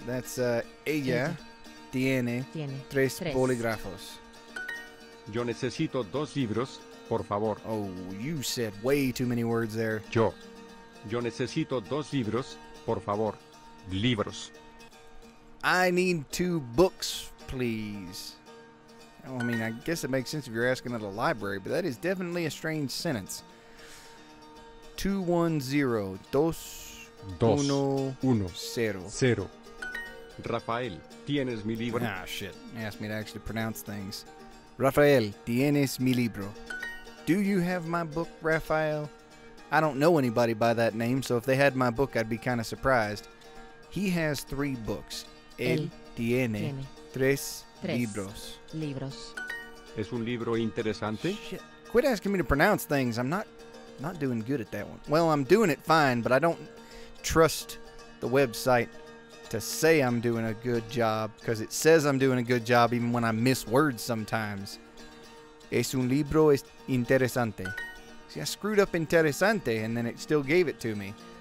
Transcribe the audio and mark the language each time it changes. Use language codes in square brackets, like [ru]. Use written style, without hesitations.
[en] That's [es] ella tiene tres bolígrafos. Yo necesito dos libros, por favor. [en] Oh, you said way too many words there. [es] Yo necesito dos libros, por favor. Libros. [en] I need two books, please. I mean, I guess it makes sense if you're asking at a library, but that is definitely a strange sentence. [es] 210, dos, dos, uno, uno, cero. Cero. Rafael, tienes mi libro. [en] Ah, shit. He asked me to actually pronounce things. [es] Rafael, tienes mi libro. [en] Do you have my book, Rafael? I don't know anybody by that name, so if they had my book, I'd be kind of surprised. He has three books. [es] Él tiene tres libros. Libros. ¿Es un libro interesante? [en] Shit. Quit asking me to pronounce things. I'm not doing good at that one. Well, I'm doing it fine, but I don't trust the website to say I'm doing a good job, because it says I'm doing a good job even when I miss words sometimes. [es] Es un libro interesante. [en] See, I screwed up interesante, and then it still gave it to me.